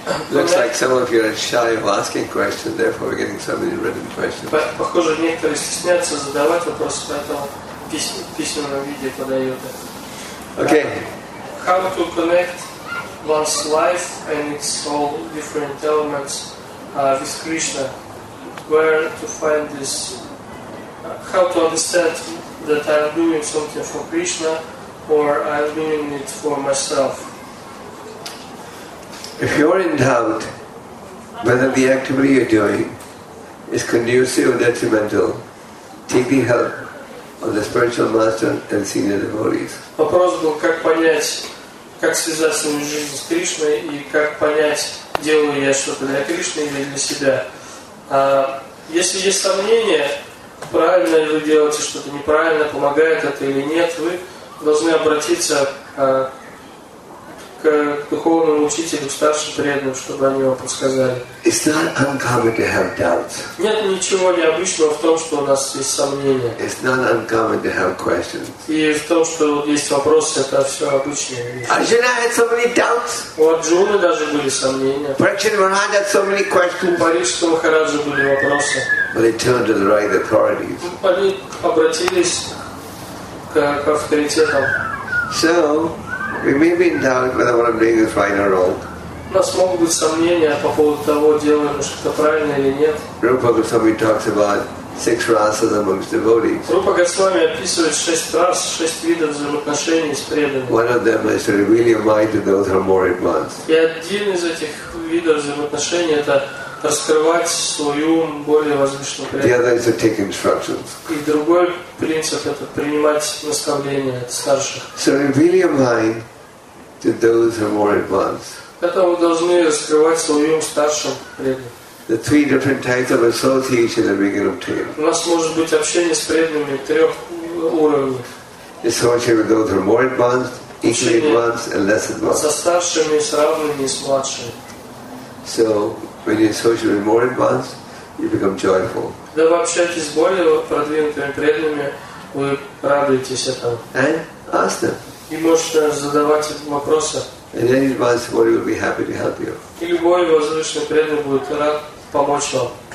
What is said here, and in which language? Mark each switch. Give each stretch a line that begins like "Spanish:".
English: Looks like some of you are shy of asking questions, therefore we're getting so many written questions.
Russian: Похоже, некоторые стесняются задавать вопросы, поэтому письменном виде подают это.
English: Okay. How to connect one's life and its all different elements with Krishna? Where to find this? How to understand that I'm doing something for Krishna or I'm doing it for myself? If you're in doubt whether the activity you're doing is conducive or detrimental, take the help of the spiritual master and senior devotees.
Russian: Вопрос был, как понять, как связать свою жизнь с Кришной и как понять, делаю я что-то для Кришны или для себя. Если есть сомнения, правильно ли вы делаете что-то неправильно, помогает это или нет, вы должны обратиться к духовному учителю, к старшим преданным, чтобы они вам подсказали.
English: It's not uncommon to have doubts.
Russian: Нет ничего необычного в том, что у нас есть сомнения.
English: It's not uncommon to have questions.
Russian: И в том, что есть вопросы, это все обычные вещи.
English: Arjuna had so many doubts.
Russian: У Арджуны даже были сомнения.
English: Prakshin Maharaj had so many questions.
Russian: У Парикшита Махараджа были вопросы.
English: But they turned to the right authorities.
Russian: Они обратились к авторитетам.
English: So, we may be in doubt whether what I'm doing is right or wrong.
Russian: У нас могут быть сомнения по поводу того, делаем что-то правильно или нет.
English: Rupa Goswami talks about six rasas amongst devotees.
Russian: Rupa Goswami описывает шесть рас, шесть видов взаимоотношений с преданными.
English: One of them is to reveal your mind to those who are more advanced.
Russian: И один из этих видов взаимоотношений это раскрывать свой ум более возвышенным преданным.
English: The other is to take instructions.
Russian: И другой принцип – это принимать наставления от старших.
English: So reveal your mind to those who are more advanced.
Russian: Поэтому вы должны раскрывать свой ум старшим преданным.
English: The three different types of association that we can obtain.
Russian: У нас может быть общение с преданными трех уровней.
English: Association with those who are more advanced, equally advanced, and less advanced.
Russian: Со старшими, с равными, с младшими.
English: So, when you associate with more advanced, you become joyful.
Russian: Когда вы общаетесь с более продвинутыми преданными, вы радуетесь этому.
English: And ask them.
Russian: И можете задавать им вопросы.
English: And any advanced body will be happy to help you.
Russian: И любой возвышенный преданный будет рад помочь вам.